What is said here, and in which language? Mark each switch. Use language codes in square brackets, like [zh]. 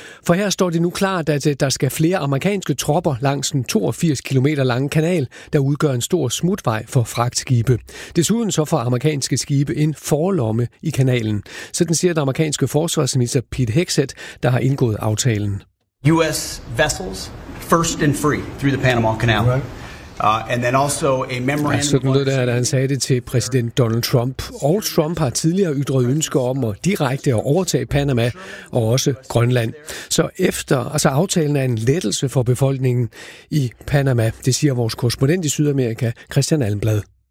[da] For her står det nu klart, at der skal flere amerikanske tropper langs den 82 km lange kanal, der udgør en stor smutvej for fragtskibe. Desuden så får amerikanske skibe en forlomme i kanalen. Sådan siger den amerikanske forsvarsminister Pete Hegseth, der har indgået aftalen. [en] US vessels first and free through the Panama Canal. And then also a memorandum. [da] Ja, sådan lød det, da han sagde det til præsident Donald Trump. Og Trump har tidligere ytret ønsker om at direkte at overtage Panama og også Grønland. Så aftalen er en lettelse for befolkningen i Panama, det siger vores korrespondent i Sydamerika, Christian Allenblad.